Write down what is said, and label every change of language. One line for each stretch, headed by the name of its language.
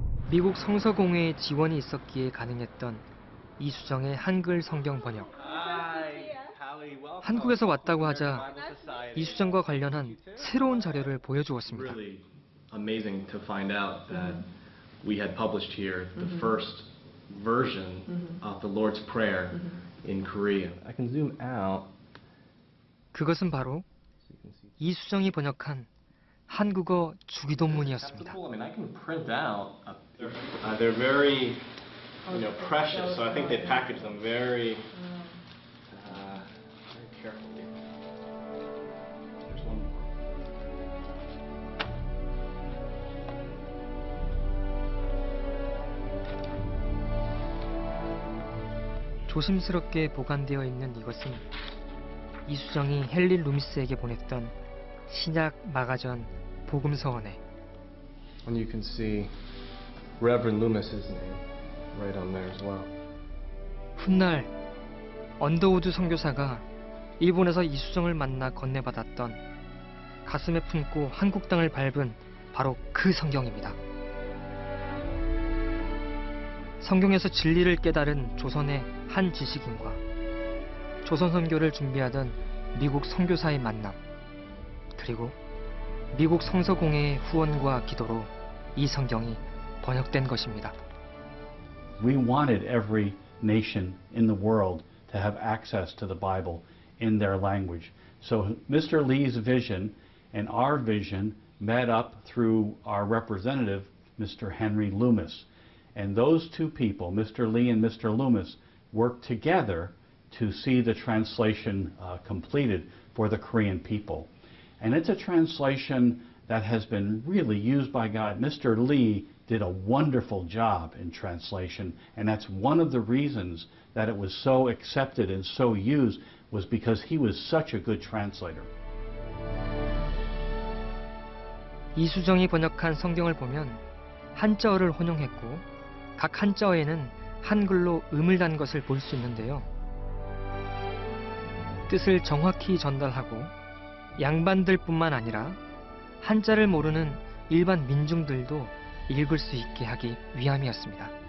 Korean: 미국 성서공회의 지원이 있었기에 가능했던 이수정의 한글 성경 번역. 한국에서 왔다고 하자 이수정과 관련한 새로운 자료를 보여주었습니다.
English: Amazing to find out that we had published here the first version of the Lord's Prayer in Korean. I can zoom out.
Korean: 그것은 바로 이수정이 번역한 한국어 주기도문이었습니다.
English: I mean, I can print out. They're very, you know, precious. So I think they package them very.
Korean: 조심스럽게 보관되어 있는 이것은 이수정이 헨리 루미스에게 보냈던 신약 마가전 복음서원에.
English: And you can see Reverend Loomis's name right on there as well.
Korean: 훗날 언더우드 선교사가 일본에서 이수정을 만나 건네받았던 가슴에 품고 한국 땅을 밟은 바로 그 성경입니다. 성경에서 진리를 깨달은 조선의 한 지식인과 조선 선교를 준비하던 미국 선교사의 만남, 그리고 미국 성서공회의 후원과 기도로 이 성경이 번역된 것입니다.
English: We wanted every nation in the world to have access to the Bible in their language. So Mr. Lee's vision and our vision met up through our representative, Mr. Henry Loomis. And those two people, Mr. Lee and Mr. Loomis, worked together to see the translation completed for the Korean people. And it's a translation that has been really used by God. Mr. Lee did a wonderful job in translation, and that's one of the reasons that it was so accepted and so used was because he was such a good translator.
Korean: 이수정이 번역한 성경을 보면 한자어를 혼용했고 각 한자어에는 한글로 음을 단 것을 볼 수 있는데요. 뜻을 정확히 전달하고 양반들뿐만 아니라 한자를 모르는 일반 민중들도 읽을 수 있게 하기 위함이었습니다.